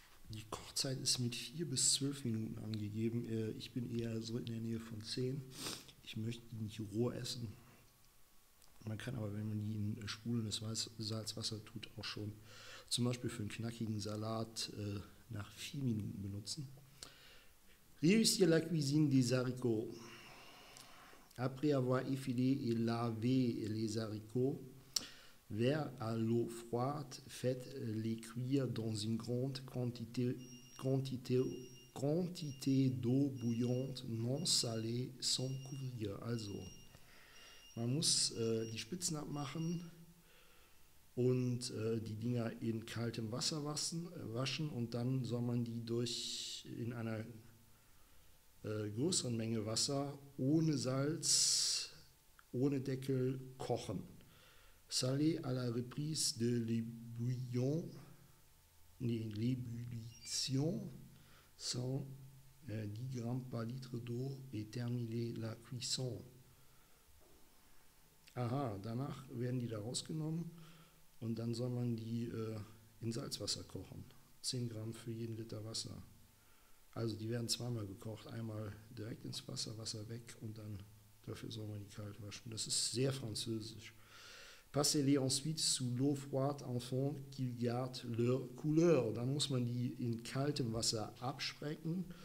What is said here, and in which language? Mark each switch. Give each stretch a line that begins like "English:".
German: Die Kochzeit ist mit 4 bis 12 Minuten angegeben, ich bin eher so in der Nähe von 10. Ich möchte die nicht roh essen. Man kann aber, wenn man die in spulendes Salzwasser tut, auch schon zum Beispiel für einen knackigen Salat nach 4 Minuten benutzen.
French: Réussir la cuisine des haricots. Après avoir effilé et lavé les haricots, vers à l'eau froide, faites les cuire dans une grande quantité d'eau bouillante, non salée, sans couvrir.
German: Also, man muss die Spitzen abmachen und die Dinger in kaltem Wasser waschen und dann soll man die durch in einer größeren Menge Wasser ohne Salz, ohne Deckel kochen.
French: Salé à la reprise de l'ébouillon, nee, l'ébullition. 110 Gramm par litre d'eau et terminer la cuisson.
German: Aha, danach werden die da rausgenommen und dann soll man die in Salzwasser kochen. 10 Gramm für jeden Liter Wasser. Also die werden zweimal gekocht, einmal direkt ins Wasser, Wasser weg und dann dafür soll man die kalt waschen. Das ist sehr französisch.
French: Passez-les ensuite sous l'eau froide en fond qu'ils gardent leur couleur.
German: Dann muss man die in kaltem Wasser abschrecken.